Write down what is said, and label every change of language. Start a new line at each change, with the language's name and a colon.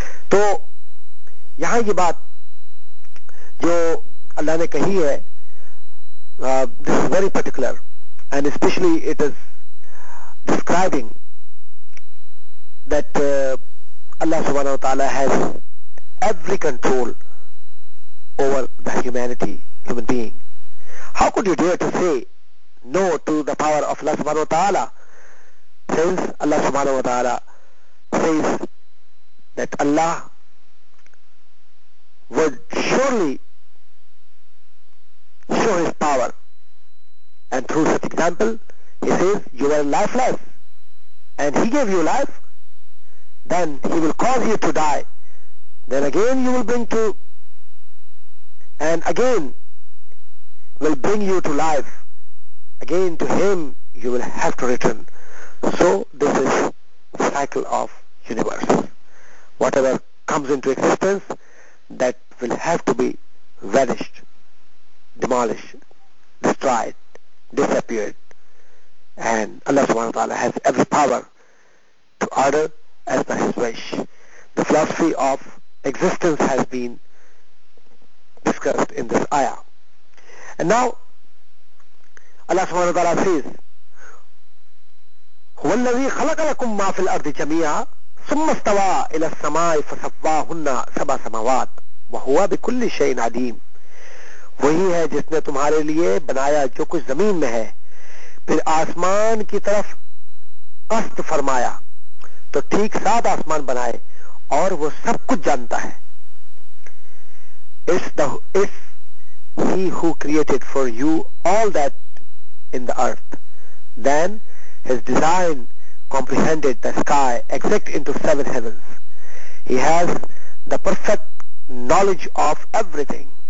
Hindi: तो यहां ये बात जो अल्लाह ने कही है,
English: This is very particular and specially it is describing that Allah सुब्हानहू व तआला has every control over the humanity, human being. How could you dare to say No to the power of Allah subhanahu wa ta'ala, since Allah subhanahu wa ta'ala says that Allah would surely show his power, and through such example he says you are lifeless and he gave you life, then he will cause you to die, then again you will bring to and again will bring you to life. Again to him you will have to return. So this is cycle of universe. Whatever comes into existence, that will have to be vanished, demolished, destroyed, disappeared. And Allah subhanahu wa ta'ala has every power to order as per his wish. The philosophy of existence has been discussed in this ayah. And now Allah subhanahu wa ta'ala says,
Arabic: هُوَ الَّذِي خَلَقَ لَكُمْ مَا فِي الْأَرْضِ جَمِيعًا ثُمَّ اسْتَوَى إِلَى السَّمَاءِ فَسَوَّاهُنَّ سَبْعَ سَمَاوَاتٍ وَهُوَ بِكُلِّ شَيْءٍ عَلِيمٌ.
Hindi: वही है जिसने तुम्हारे लिए बनाया जो कुछ जमीन में है, फिर आसमान की तरफ अस्त फरमाया तो ठीक सात आसमान बनाए, और वो सब कुछ जानता है. इस
English: He who created for you all that in the earth, then his design comprehended the sky exact into seven heavens. He has the perfect knowledge of everything.